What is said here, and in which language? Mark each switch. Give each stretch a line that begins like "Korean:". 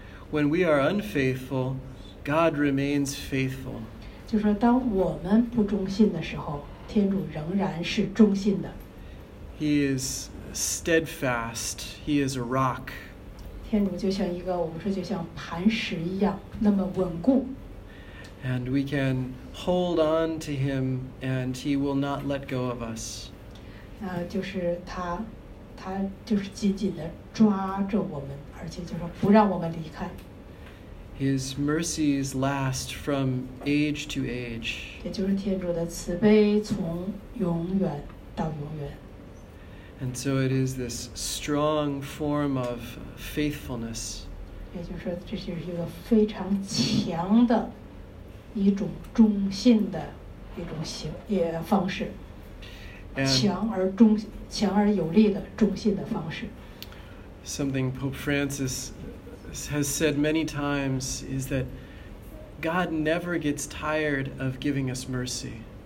English: When we are unfaithful, God remains faithful.
Chinese: 就说当我们不忠信的时候，天主仍然是忠信的。
English: He is steadfast. He is a rock.
Chinese: 天主就像一个，我们说就像磐石一样，那么稳固。
English: And we can hold on to him, and he will not let go of us.
Chinese: 就是他就是紧紧地抓着我们，而且就是不让我们离开。
English: His mercies last from age to age.
Chinese: 也就是天主的慈悲从永远到永远。
English: And so it is this strong form of faithfulness.
Chinese: 也就是说，这就是一个非常强的一种忠信的一种方式，强而有力的忠信的方式。
English: Something Pope Francis has said many times is that God never gets tired of giving us mercy.